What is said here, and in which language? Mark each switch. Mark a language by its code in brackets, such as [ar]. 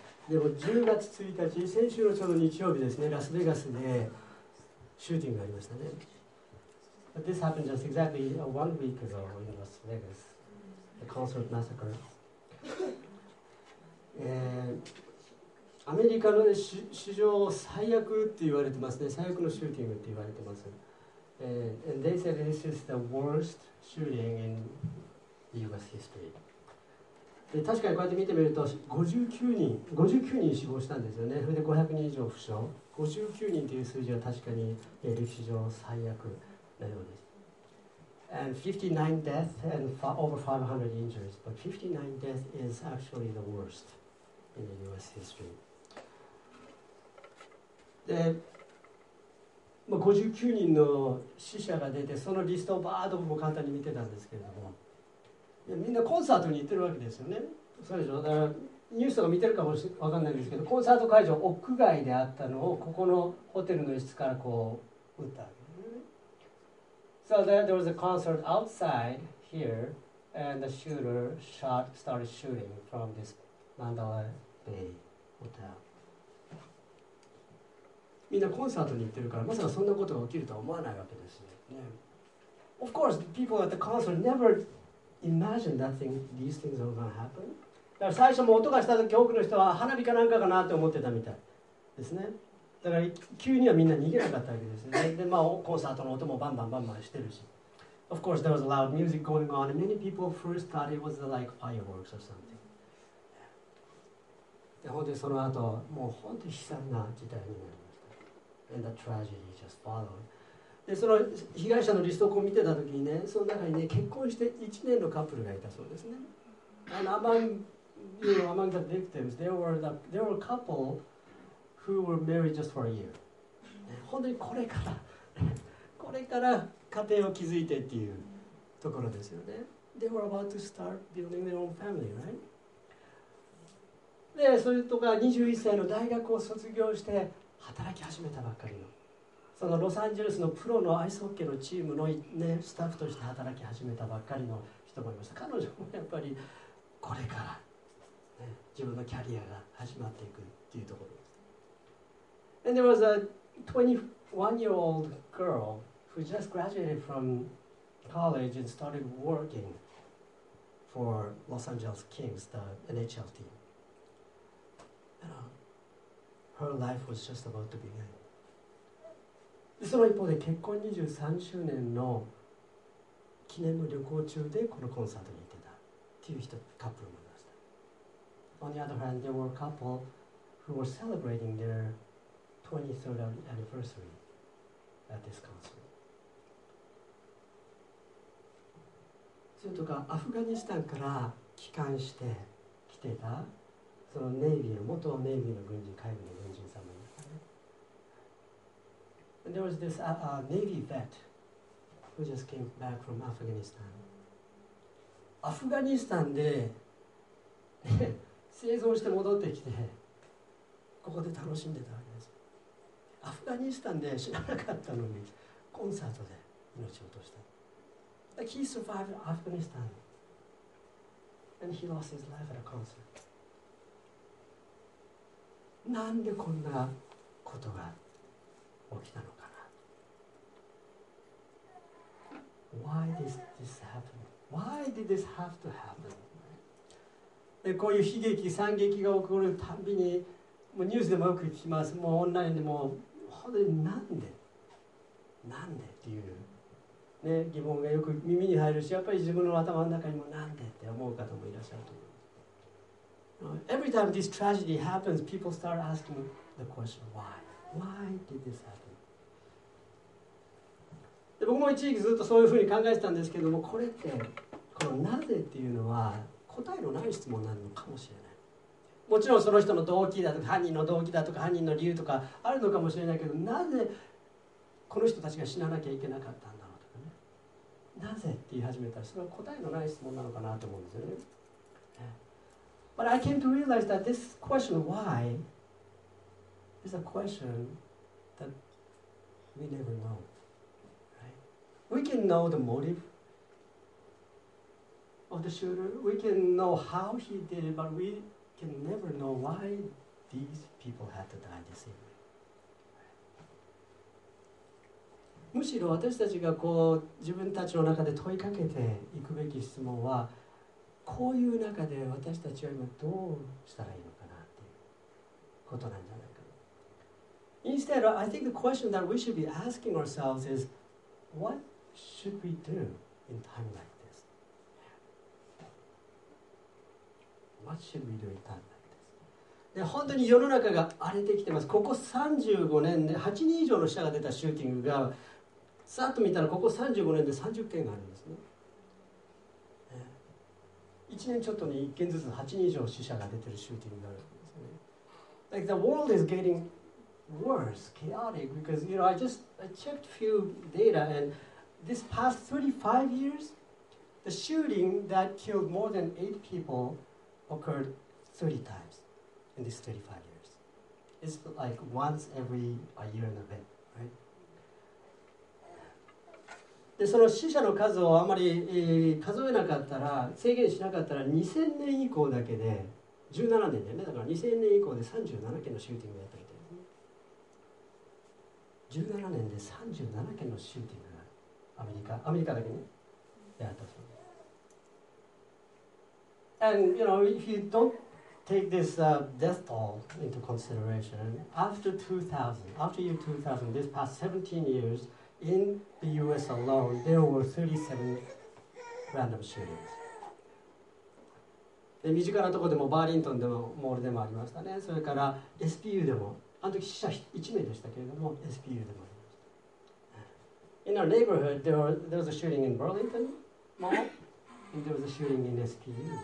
[ja] でも10月1日、先週のちょうど日曜日ですね、ラスベガスでシューティングがありましたね。 [en] But this happened just exactly 1 week ago in Las Vegas, the concert massacre. [ja] アメリカの、ね、史上最悪って言われてますね。最悪のシューティングって言われてます。 [en] And they said this is the worst shooting in US history. [ja] で確かにこうやって見てみると59人死亡したんですよね。それで500人以上負傷。 59人という数字は確かに、歴史上最悪なようです。 [en] And 59 deaths and over 500 injuries. But 59 deaths is actually the worst in US history. [ja] で、まあ、59人の死者が出て、そのリストをバーッと簡単に見てたんですけれども、みんなコンサートに行ってるわけですよね。そうでしょ。だからニュースとか見てるかもしれないんですけど、コンサート会場屋外であったのをここのホテルの一室からこう打ったわけですね。 [en] So then there was a concert outside here and the shooter started shooting from this Mandalay Bay Hotel [ja] みんなコンサートに行ってるから、まさかそんなことが起きるとは思わないわけですね。Yeah. [en] Of course, the people at the concert never imagined that thing, these things were going to happen. [ja] だから最初も音がした時、多くの人は花火かなんかかなって思ってたみたいですね。だから急にはみんな逃げなかったわけですね。で、まあコンサートの音もバンバンバンバンしてるし。 [en] Of course, there was loud music going on, and many people first thought it was like fireworks or something. [ja] で、本当にその後、もう本当に悲惨な事態になる。 [en] And the tragedy just followed. [ja] で、その被害者のリストを見てたときにね、その中にね、結婚して1年のカップルがいたそうですね。 [en] And among the victims, there were a couple who were married just for a year. [ja] 本当にこれから家庭を築いてっていうところですよね。 [en] They were about to start building their own family, right? [ja] で、それとか21歳の大学を卒業して働き始めたばっかりの、そのロサンゼルスのプロのアイスホッケーのチームの、ね、スタッフとして働き始めたばっかりの人もいました。彼女もやっぱりこれから、ね、自分のキャリアが始まっていくっていうところです。 [en] And there was a 21-year-old girl who just graduated from college and started working for Los Angeles Kings, the NHL team. Her life was just about to begin. [ja] その一方で結婚23周年の記念の旅行中でこのコンサートに行ってたっていう人カップルもいました。 [en] On the other hand, there were a couple who were celebrating their 23rd anniversary at this concert. [ja] それとかアフガニスタンから帰還して来てた。そのネイビーの元ネイビーの軍人、海軍の軍人さんもいましたね。 [en] There was this Navy vet who just came back from Afghanistan. [ja] アフガニスタンで生存して戻ってきて、ここで楽しんでたわけです。アフガニスタンで死ななかったのに、コンサートで命を落とした。 [en] He survived Afghanistan and he lost his life at a concert. [ja] なんでこんなことが起きたのかな。 [en] Why did this happen? Why did this have to happen? [ja] でこういう悲劇、惨劇が起こるたびに、もうニュースでもよく聞きます。もうオンラインでも、本当になんでっていう、ね、疑問がよく耳に入るし、やっぱり自分の頭の中にもなんでって思う方もいらっしゃると思う。 [en] Every time this tragedy happens, people start asking the question, why? Why did this happen? [ja] で、僕も一時期ずっとそういうふうに考えてたんですけども、これって、このなぜっていうのは答えのない質問なのかもしれない。もちろんその人の動機だとか、犯人の動機だとか、犯人の理由とかあるのかもしれないけど、なぜこの人たちが死ななきゃいけなかったんだろうとかね。なぜって言い始めたら、それは答えのない質問なのかなと思うんですよね。 [en] But I came to realize that this question, why, is a question that we never know. Right? We can know the motive of the shooter, we can know how he did it, but we can never know why these people had to die the same way. [ja] むしろ私たちがこう自分たちの中で問いかけていくべき質問は、こういう中で私たちは今どうしたらいいのかなっていうことなんじゃないかな。 [en] Instead, I think the question that we should be asking ourselves is, what should we do in time like this? What should we do in time like this? [ja] で、本当に世の中が荒れてきてます。ここ35年で8人以上の死者が出たシューティングが、さっと見たらここ35年で30件があるんですね。 1年ちょっとに1件ずつ8人以上死者が出てるシューティングがあるんですね。 [en] Like the world is getting worse, chaotic, because, you know, I checked a few data, and this past 35 years, the shooting that killed more than 8 people occurred 30 times in these 35 years. It's like once every a year and a bit, right? [ja] でその死者の数をあまり、数えなかったら、制限しなかったら2000年以降だけで、17年だよね、だから2000年以降で37件のシューティングがやったみたいですね。 17年で37件のシューティングがアメリカだけね、やったそうです。 [en] And you know, if you don't take this death toll into consideration, after year 2000, this past 17 years,In the U.S. alone, there were 37 random shootings. [ja] で、身近なところでもバーリントンでもモールでもありましたね。それから SPU でも、あの時死者1名でしたけれども、SPU でもありました。 [en] In our neighborhood, there was a shooting in Burlington Mall, and there was a shooting in SPU.